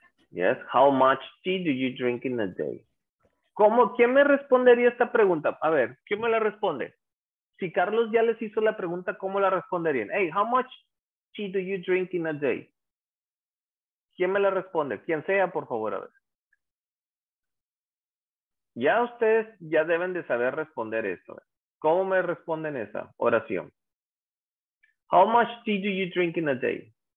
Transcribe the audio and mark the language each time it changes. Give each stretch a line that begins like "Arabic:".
English: Yes, how much tea do you drink in a day?
Spanish: ¿Cómo? ¿Quién me respondería esta pregunta? A ver, ¿quién me la responde? Si Carlos ya les hizo la pregunta, ¿cómo la responderían?
English: Hey, how much tea do you drink in a day?
Spanish: ¿Quién me la responde? Quien sea, por favor, a ver. Ya ustedes ya deben de saber responder eso. ¿Cómo me responden esa oración?
English: How much tea do you drink in a day?